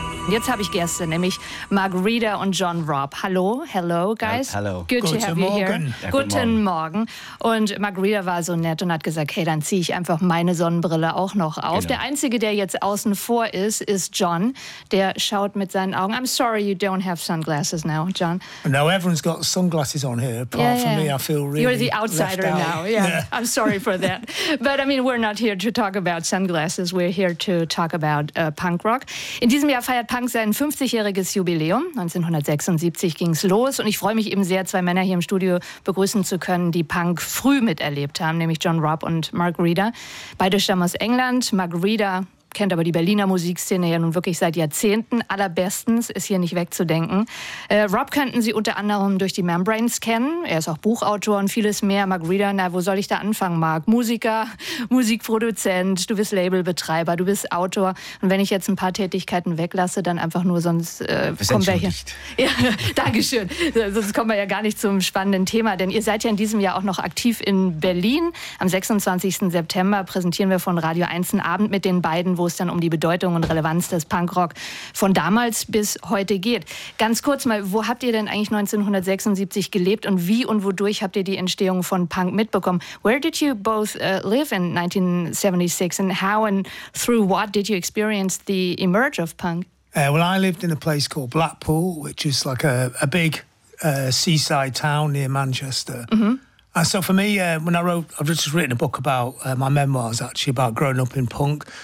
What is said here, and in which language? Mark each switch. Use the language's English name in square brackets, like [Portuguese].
[German] Jetzt habe ich Gäste, nämlich Mark Reeder und John Robb. Hallo, [English] hello guys. Ja, hello. Good to have you here. [German] Ja, guten Morgen. Und Mark Reeder war so nett und hat gesagt, hey, dann ziehe ich einfach meine Sonnenbrille auch noch auf. Genau. Der Einzige, der jetzt außen vor ist, ist John. Der schaut mit seinen Augen. [English] I'm sorry, you don't have sunglasses now, John. No, everyone's got sunglasses on here, apart from me. I feel really You're the outsider now. Yeah. I'm sorry for that. But I mean, we're not here to talk about sunglasses. We're here to talk about punk rock. [German] In diesem Jahr feiert Punk sein 50-jähriges Jubiläum. 1976 ging es los und ich freue mich eben sehr, zwei Männer hier im Studio begrüßen zu können, die Punk früh miterlebt haben, nämlich John Robb und Mark Reeder. Beide stammen aus England. Mark Reeder kennt aber die Berliner Musikszene ja nun wirklich seit Jahrzehnten. Allerbestens ist hier nicht wegzudenken. Robb könnten Sie unter anderem durch die Membranes kennen. Er ist auch Buchautor und vieles mehr. Mark Reeder, na, wo soll ich da anfangen, Mark? Musiker, Musikproduzent, du bist Labelbetreiber, du bist Autor. Und wenn ich jetzt ein paar Tätigkeiten weglasse, dann einfach nur, sonst kommen wir hier. Ja, dankeschön. Sonst kommen wir ja gar nicht zum spannenden Thema. Denn ihr seid ja in diesem Jahr auch noch aktiv in Berlin. Am 26. September präsentieren wir von Radio 1 einen Abend mit den beiden, wo es dann um die Bedeutung und Relevanz des Punkrock von damals bis heute geht. Ganz kurz mal, wo habt ihr denn eigentlich 1976 gelebt und wie und wodurch habt ihr die Entstehung von Punk mitbekommen? [English] Where did you both live in 1976 and how and through what did you experience the emerge of punk? Well, I lived in a place called Blackpool, which is like a big seaside town near Manchester. Mm-hmm. And so for me, when I wrote, I've just written a book about my memoirs, actually, about growing up in punk.